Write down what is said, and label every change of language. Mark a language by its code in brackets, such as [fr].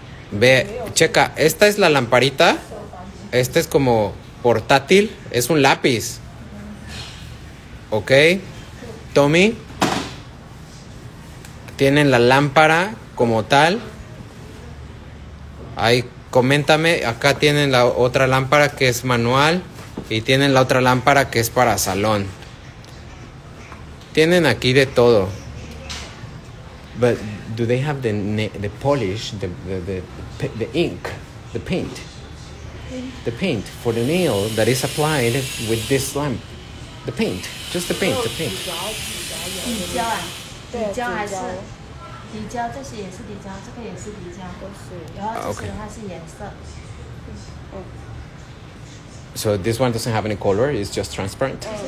[es] Ve, checa, esta es la lamparita. Este es como portátil. Es un lápiz. Ok. Tommy. Tienen la lámpara como tal. Hay coméntame, acá tienen la otra lámpara que es manual y tienen la otra lámpara que es para salón. Tienen aquí de todo. [en] But do they have the polish, the ink, the paint? The paint for the nail that is applied with this lamp. The paint, just the paint, the paint. [zh] 底胶还是底胶，这是也是底胶，这个也是底胶，都是。然后就是它是颜色。Okay. [en] So this one doesn't have any color, it's just transparent.